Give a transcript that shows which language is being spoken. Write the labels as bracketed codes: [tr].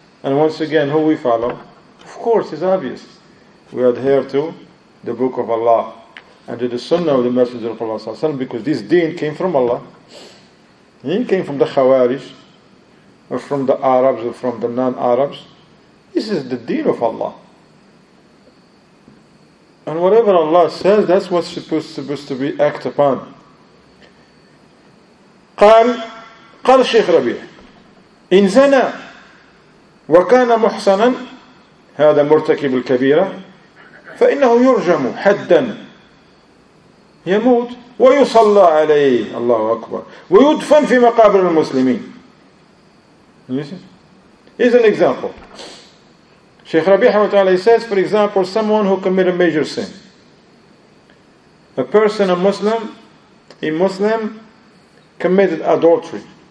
[en] And once again, who we follow? Of course, it's obvious. We adhere to the Book of Allah and to the sunnah of the Messenger of Allah sallallahu alaihi wasallam, because this deen came from Allah. It came from the Khawarij, or from the Arabs, or from the non-Arabs. This is the deen of Allah. And whatever Allah says, that's what's supposed to be acted upon. [ar] قال الشيخ ربيع إن زنى وكان محسنا هذا مرتكب الكبيرة فإنه يرجم حدا يموت ويصلى عليه الله أكبر ويدفن في مقابر المسلمين. [en] Here's an example. Sheikh Rabi says, for example, someone who committed a major sin. A person, a Muslim, committed adultery.